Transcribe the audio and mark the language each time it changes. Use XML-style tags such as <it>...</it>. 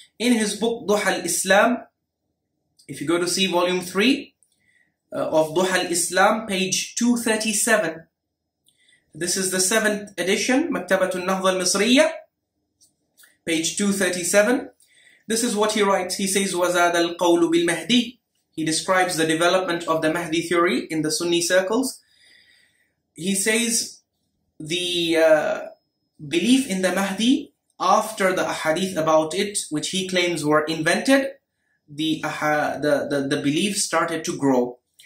<en>In his book, Duha al-Islam, if you go to see volume 3 of Duha al-Islam, page 237. This is the 7th edition, Maktabat al-Nahdha al-Misriya, page 237. This is what he writes. He says,</en> <ar>وَزَادَ الْقَوْلُ بِالْمَهْدِي.</ar> <en>He describes the development of the Mahdi theory in the Sunni circles. He says, the belief in the Mahdi after the ahadith about it, which he claims were invented, the belief started to grow.</en>